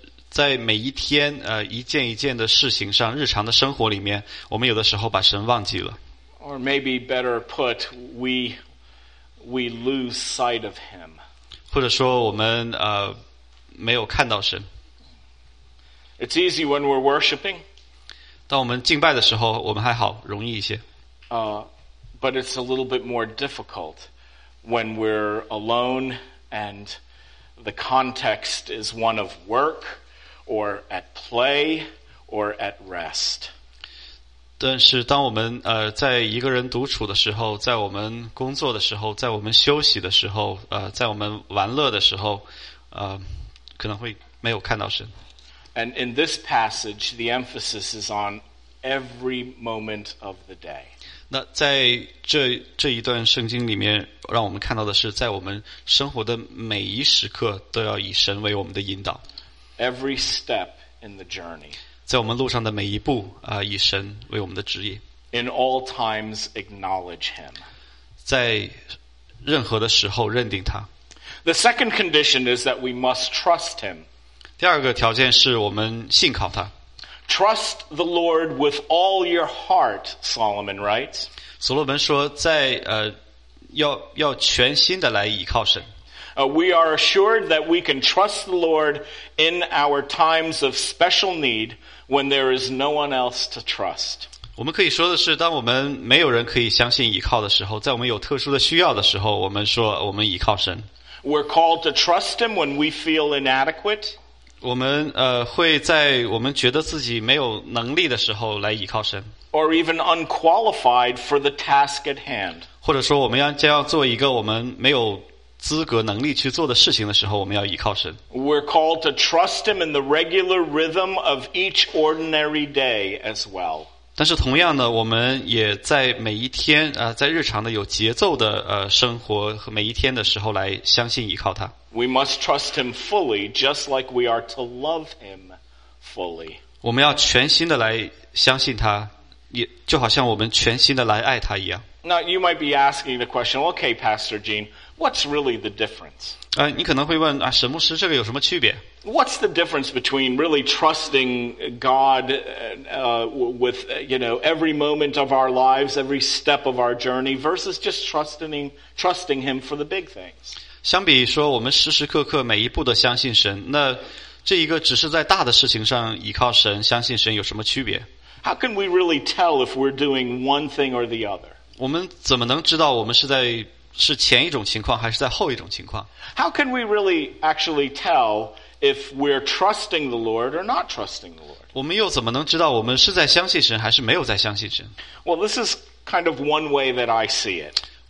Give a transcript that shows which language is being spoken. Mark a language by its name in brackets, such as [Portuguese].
[Chinese] 在每一天一件一件的事情上，日常的生活里面，我们有的时候把神忘记了。 [English] Or maybe better put, we lose sight of him. [Chinese] 或者说我们没有看到神。 [English] It's easy when we're worshiping. [Chinese] 当我们敬拜的时候，我们还好，容易一些。 [English] But it's a little bit more difficult when we're alone and the context is one of work. Or at play, or at rest. [Chinese] 但是当我们在一个人独处的时候，在我们工作的时候，在我们休息的时候，在我们玩乐的时候，可能会没有看到神。 [English] And in this passage, the emphasis is on every moment of the day. [Chinese] 那在这一段圣经里面，让我们看到的是，在我们生活的每一时刻，都要以神为我们的引导。 [English] Every step in the journey. [Chinese] 在我们路上的每一步，以神为我们的指引。 [English] In all times, acknowledge him. [Chinese] 在任何的时候认定他。 [English] The second condition is that we must trust him. [Chinese] 第二个条件是我们信靠他。 [English] Trust the Lord with all your heart, Solomon writes. [Chinese] 所罗门说，在要全心的来倚靠神。 [English] We are assured that we can trust the Lord in our times of special need when there is no one else to trust. [Chinese] 我们可以说的是，当我们没有人可以相信依靠的时候，在我们有特殊的需要的时候，我们说我们依靠神。 [English] We're called to trust him when we feel inadequate. [Chinese] 我们会在我们觉得自己没有能力的时候来依靠神。 [English] Or even unqualified for the task at hand. [Chinese] 或者说我们将要做一个我们没有资格能力去做的事情的时候，我们要倚靠神。 [English] We're called to trust him in the regular rhythm of each ordinary day as well. [Chinese] 但是同样的，我们也在每一天在日常的有节奏的生活和每一天的时候来相信倚靠他。 [English] We must trust him fully, just like we are to love him fully. [Chinese] 我们要全心的来相信他，也就好像我们全心的来爱他一样。 [English] Now you might be asking the question, okay, Pastor Gene. What's really the difference? [Chinese] 你可能会问神牧师，这个有什么区别？ [English] What's the difference between really trusting God with you know every moment of our lives, every step of our journey, versus just trusting Him for the big things? [Chinese] 相比说，我们时时刻刻每一步都相信神，那这一个只是在大的事情上依靠神、相信神有什么区别？ [English] How can we really tell if we're doing one thing or the other? [Chinese] 我们怎么能知道我们是在是前一种情况还是在后一种情况？ [English] How can we really actually tell if we're trusting the Lord or not trusting the Lord? [Chinese] 我们又怎么能知道我们是在相信神还是没有在相信神？ [English] Well, this is kind of one way that I see it.